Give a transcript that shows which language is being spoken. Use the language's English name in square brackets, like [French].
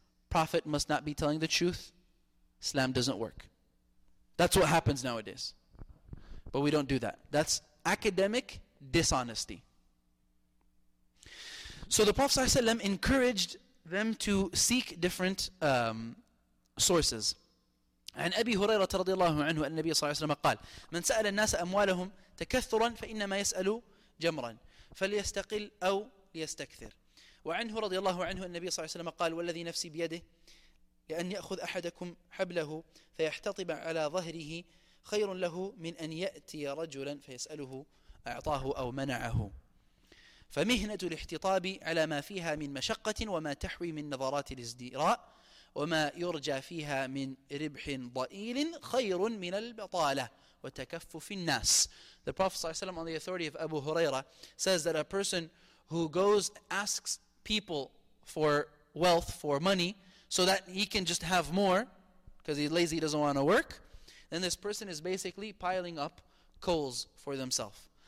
[English] Prophet must not be telling the truth. Islam doesn't work. That's what happens nowadays. But we don't do that. That's academic dishonesty. So the Prophet ﷺ encouraged them to seek different sources. [Arabic] عن أبي هريرة رضي الله عنه أن النبي صلى الله عليه وسلم قال من سأل الناس أموالهم تكثرا فإنما يسأل جمرا فليستقل أو ليستكثر. وعنه رضي الله عنه النبي صلى الله عليه وسلم قال والذي نفسي بيده لأن يأخذ أحدكم حبله فيحتطب على ظهره خير له من أن يأتي رجلا فيسأله أعطاه أو منعه. فمهنة الاحتطاب على ما فيها من مشقة وما تحوي من نظرات الازدراء وما يرجى فيها من ربح ضئيل خير من البطالة وتكفف الناس. [English] The Prophet صلى الله عليه وسلم on the authority of Abu Huraira says that a person who goes asks people for wealth, for money, so that he can just have more, because he's lazy, he doesn't want to work, then this person is basically piling up coals for themselves.